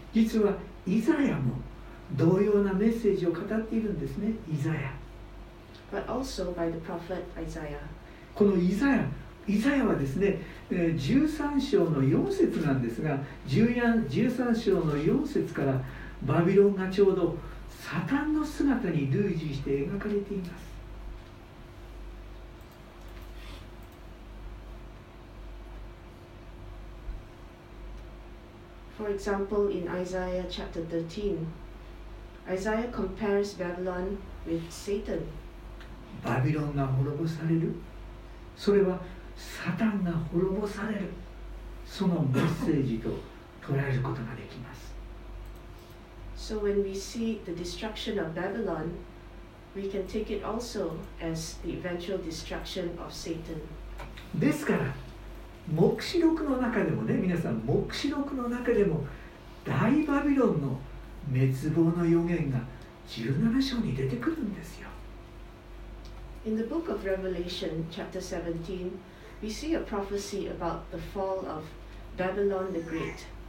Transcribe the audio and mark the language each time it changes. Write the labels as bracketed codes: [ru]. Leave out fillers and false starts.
[ja] 実はイザヤも同様なメッセージを語っているんですね、イザヤ。 [en] But also by the prophet Isaiah. [ja] このイザヤはですね、13章の4節なんですが、13章の4節からバビロンがちょうどサタンの姿に類似して描かれています。 [en] For example, in Isaiah chapter 13,Isaiah compares Babylon with Satan. [ja] バビロンが滅ぼされる。それはサタンが滅ぼされる。そのメッセージと捉えることができます。 [en] So when we see the destruction of Babylon, we can take it also as the eventual destruction of Satan. [ja] ですから、黙示録の中でもね、皆さん、黙示録の中でも大バビロンの滅亡の予言が17章に出てくるんですよ。 [en] In the book of Revelation, chapter 17, we see a prophecy about the fall of Babylon the Great.